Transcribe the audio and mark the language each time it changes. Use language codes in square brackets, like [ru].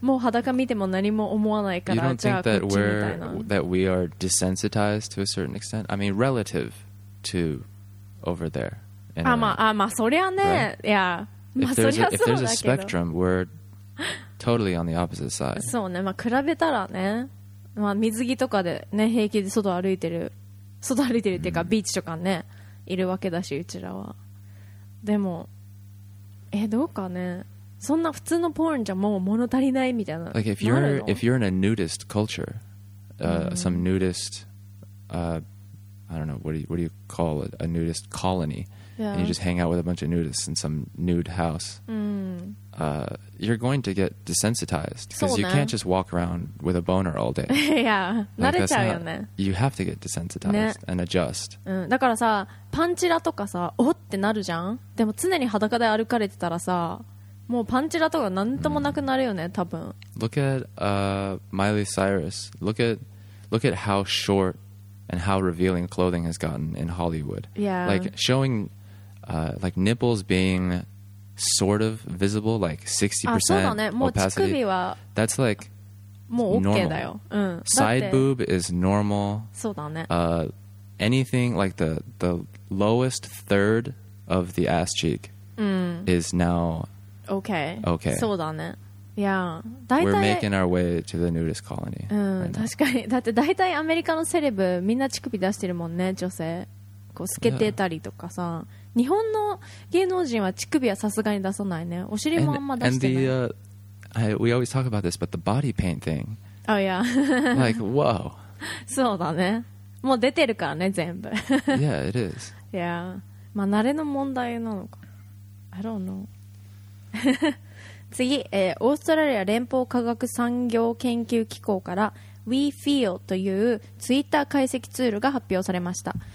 [ja] もう裸見ても何も思わないから、 [en] you don't think that we're, that we are desensitized to a certain extent? I mean, relative to over there. [ja] まあそりゃね。 [en] Right? Yeah. If there's a spectrum, we're totally on the opposite side. [ja] そうね。まあ比べたらね。まあ水着とかでね、平気で外歩いてる。外歩いてるっていうか、ビーチとかね、いるわけだし、うちらは。でも、どうかね。そんな普通のポーンじゃもう物足りないみたいな。 [en] Like, if you're in a nudist culture, some nudist, I don't know, what do you call it? A nudist colony. Yeah. And you just hang out with a bunch of nudists in some nude house. You're going to get desensitized. Because you can't just walk around with a boner all day. Yeah. Like, [ja] 慣れちゃうよね。 [en] You have to get desensitized and adjust. [ja] だからさ、パンチラとかさ、おってなるじゃん。でも常に裸で歩かれてたらさ、もうパンチラとかなんともなくなるよね、多分。 [en] Look at Miley Cyrus. Look at how short and how revealing clothing has gotten in Hollywood. Yeah. Like showing like nipples being sort of visible, like 60% opacity. That's like normal. Side boob is normal. [ja] そうだね。 [en] Anything like the lowest third of the ass cheek is now Okay. [ja] そうだね。いや、大体。 [en] We're making our way to the nudist colony. Right、 [ja] 確かに。だって大体アメリカのセレブみんな乳首出してるもんね、女性。こう透けてたりとかさ。 Yeah. 日本の芸能人は乳首はさすがに出さないね。お尻もあんま出してない。 [en] We always talk about this, but the body paint thing. Oh yeah. Like, whoa. [ja] そうだね。もう出てるからね、全部。 [en] Yeah, it is. Yeah. [ja] まあ慣れの問題なのか。 [en] I don't know. [ja] 次、オーストラリア連邦科学産業研究機構から WeFeel というツイッター解析ツールが発表されました。